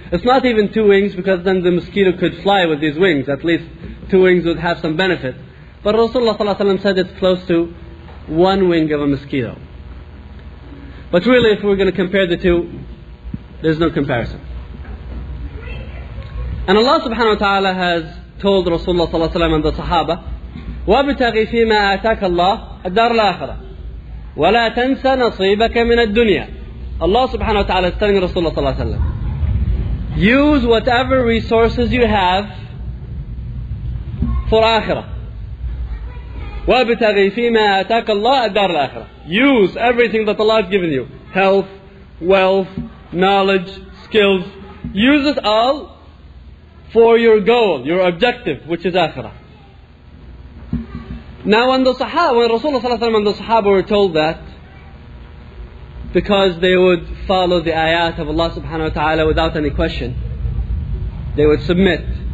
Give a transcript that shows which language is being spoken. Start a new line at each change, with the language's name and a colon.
English: It's not even two wings, because then the mosquito could fly with these wings. At least two wings would have some benefit. But Rasulullah ﷺ said it's close to one wing of a mosquito. But really, if we're going to compare the two, there's no comparison. And Allah subhanahu wa ta'ala has told Rasulullah ﷺ and the Sahaba,
Arabic: وَابْتَغِي فِي مَا آتَاكَ اللَّهِ الدَّارَ الْآخِرَةِ وَلَا تَنْسَ نَصِيبَكَ مِنَ الدُّنْيَا.
English: Allah subhanahu wa ta'ala is telling Rasulullah ﷺ, use whatever resources you have for Akhirah.
Arabic: وابتغي فيما آتاك الله الدار الآخرة.
English: Use everything that Allah has given you. Health, wealth, knowledge, skills. Use it all for your goal, your objective, which is Akhirah. Now when the Sahaba, when Rasulullah صلى الله عليه وسلم and the Sahaba were told that, because they would follow the ayat of Allah subhanahu wa ta'ala without any question, they would submit.